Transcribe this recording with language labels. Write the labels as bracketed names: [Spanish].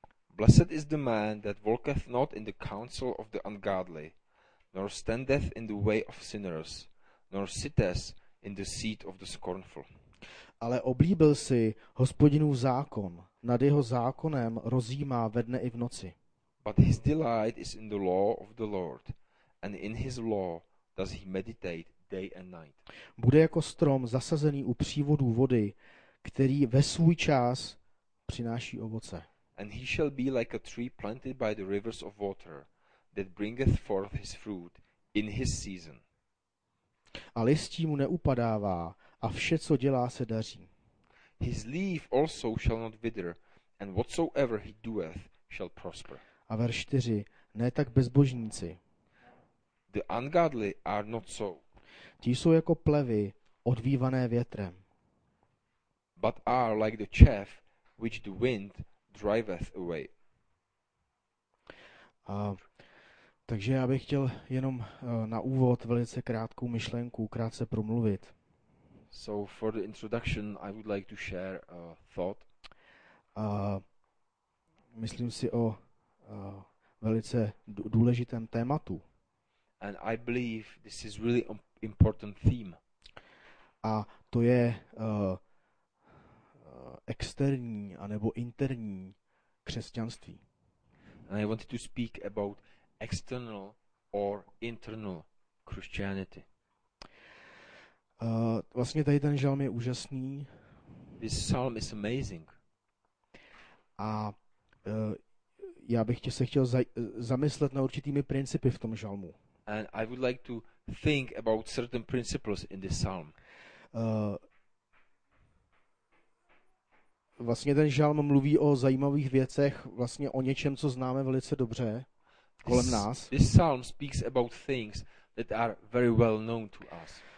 [English] Blessed is the man that walketh not in the counsel of the ungodly, nor standeth in the way of sinners, nor sitteth in the seat of the scornful. [Czech] Ale oblíbil si Hospodinův zákon. Nad jeho zákonem rozjímá ve dne i v noci. [English] But his delight is in the law of the Lord, and in his law does he meditate day and night. [Czech] Bude jako strom zasazený u přívodů vody, který ve svůj čas přináší ovoce. [English] And he shall be like a tree planted by the rivers of water, that bringeth forth his fruit in his season. [Czech] A listí mu neupadává, a vše, co dělá, se daří. [English] His leaf also shall not wither, and whatsoever he doeth shall prosper. [Czech] A verš 4. Ne tak bezbožníci. [English] The ungodly are not so. [Czech] Ti jsou jako plevy, odvívané větrem. [English] But are like the chaff, which the wind driveth away. [Czech] Takže já bych chtěl jenom na úvod velice krátkou myšlenku, krátce promluvit. [English] So for the introduction, I would like to share a thought. [Czech] Myslím si o velice důležitém tématu. [English] And I believe this is really important theme. [Czech] A to je externí anebo interní křesťanství. [English] And I wanted to speak about external or internal Christianity. [Czech] Vlastně tady ten žalm je úžasný. [English] This psalm is amazing. [Czech] A já bych se chtěl zamyslet na určitými principy v tom žalmu. [English] And I would like to think about certain principles in this psalm. [Czech] Vlastně ten žalm mluví o zajímavých věcech, vlastně o něčem, co známe velice dobře kolem nás. [English] This psalm speaks about things that are very well known to us.